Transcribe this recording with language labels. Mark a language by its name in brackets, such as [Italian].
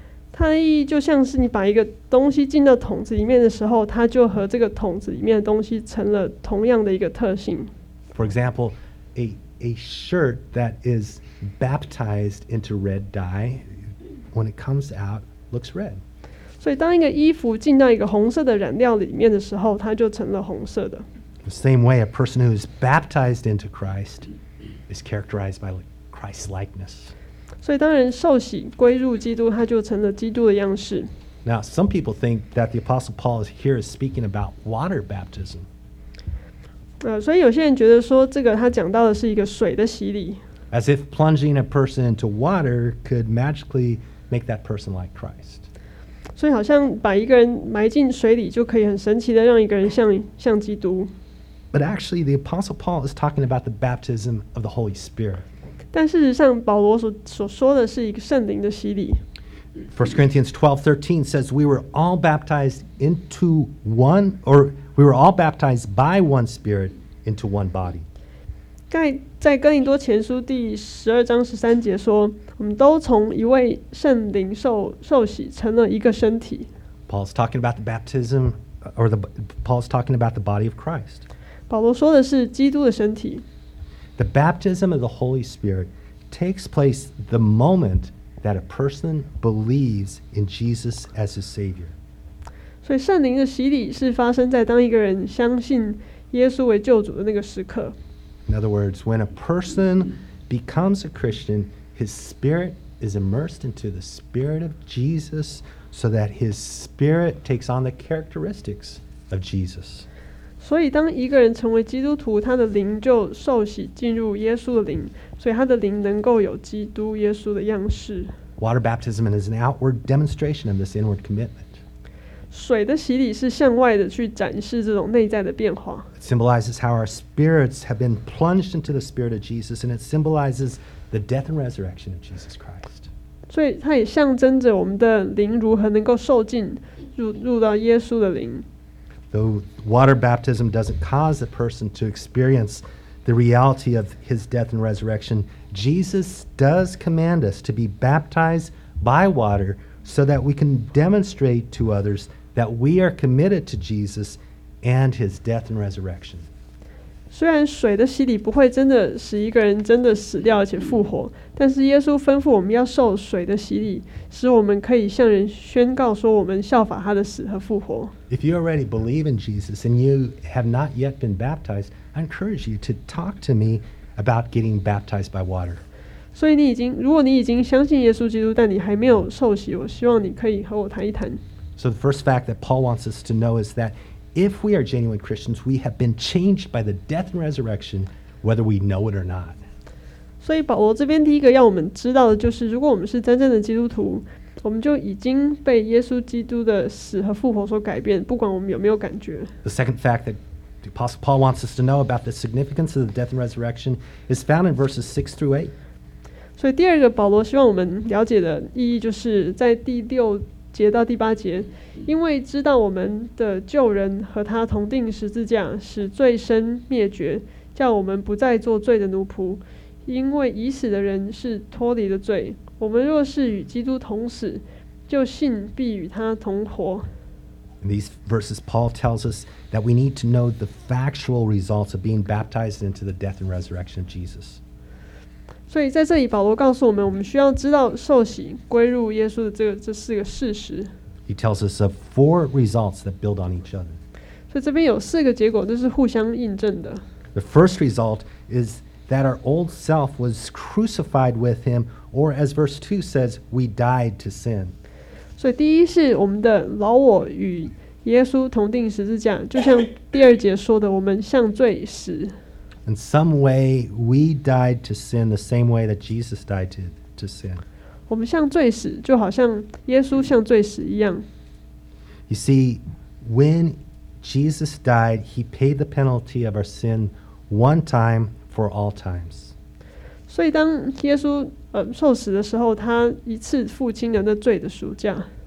[Chinese] 它的意义就像是你把一个东西进到桶子里面的时候，它就和这个桶子里面的东西成了同样的一个特性。 [English] For example, a shirt that is baptized into red dye, when it comes out, looks red. [Chinese] 所以当一个衣服进到一个红色的染料里面的时候，它就成了红色的。 [English] The same way, a person who is baptized into Christ is characterized by Christ's likeness. [Chinese] 所以当人受洗归入基督，他就成了基督的样式。 [English] Now, some people think that the Apostle Paul is here speaking about water baptism. [Chinese] 所以有些人觉得说这个他讲到的是一个水的洗礼。 [English] As if plunging a person into water could magically make that person like Christ. [Chinese] 所以好像把一个人埋进水里就可以很神奇的让一个人像基督。 [English] But actually the Apostle Paul is talking about the baptism of the Holy Spirit. [Chinese] 但事实上保罗所说的是一个圣灵的洗礼。 [English] 1 Corinthians 12:13 says we were all baptized into one or we were all baptized by one spirit into one body. [Chinese] 在哥林多前书第十二章十三节说，我们都从一位圣灵 受洗，成了一个身体。 [English] Paul's talking about the baptism, or the Paul's talking about the body of Christ. [Chinese] 保罗说的是基督的身体。 [English] The baptism of the Holy Spirit takes place the moment that a person believes in Jesus as his Savior. [Chinese] 所以圣灵的洗礼是发生在当一个人相信耶稣为救主的那个时刻。 [English] In other words, when a person becomes a Christian, his spirit is immersed into the spirit of Jesus so that his spirit takes on the characteristics of Jesus. [Chinese] 所以当一个人成为基督徒，他的灵就受洗进入耶稣的灵，所以他的灵能够有基督耶稣的样式。 [English] Water baptism is an outward demonstration of this inward commitment. [Chinese] 水的洗礼是向外的去展示这种内在的变化。 [English] It symbolizes how our spirits have been plunged into the spirit of Jesus, and it symbolizes the death and resurrection of Jesus Christ. [Chinese] 所以它也象征着我们的灵如何能够受浸 入到耶稣的灵。 [English] Though water baptism doesn't cause a person to experience the reality of his death and resurrection, Jesus does command us to be baptized by water so that we can demonstrate to others that we are committed to Jesus and his death and resurrection. [Chinese] 虽然水的洗礼不会真的使一个人真的死掉而且复活，但是耶稣吩咐我们要受水的洗礼，使我们可以向人宣告说我们效法他的死和复活。 [English] If you already believe in Jesus and you have not yet been baptized, I encourage you to talk to me about getting baptized by water. [Chinese] 所以如果你已经相信耶稣基督，但你还没有受洗，我希望你可以和我谈一谈。 [English] So the first fact that Paul wants us to know is that if we are genuine Christians, we have been changed by the death and resurrection, whether we know it or not. [Chinese] 所以保罗这边第一个要我们知道的就是，如果我们是真正的基督徒，我们就已经被耶稣基督的死和复活所改变，不管我们有没有感觉。 [English] The second fact that the Apostle Paul wants us to know about the significance of the death and resurrection is found in verses 6 through 8. [Chinese] 所以第二个保罗希望我们了解的意义就是在第六节到第八节，因为知道我们的旧人和他同钉十字架，使罪身灭绝，叫我们不再做罪的奴仆。因为已死的人是脱离了罪，我们若是与基督同死，就信必与他同活。 [English] In these verses, Paul tells us that we need to know the factual results of being baptized into the death and resurrection of Jesus. [Chinese] 所以在这里，保罗告诉我们，我们需要知道受洗归入耶稣的这四个事实。 [English] He tells us of four results that build on each other. [Chinese] 所以这边有四个结果，都是互相印证的。 [English] The first result is that our old self was crucified with him, or as verse 2 says, we died to sin. [Chinese] 所以第一是我们的老我与耶稣同钉十字架，就像第二节说的，我们向罪死。 [English] In some way, we died to sin the same way that Jesus died to sin. [Chinese] 我们向罪死，就好像耶稣向罪死一样。 [English] You see, when Jesus died, he paid the penalty of our sin one time for all times. [Chinese] 所以当耶稣受死的时候，他一次付清了那罪的赎价。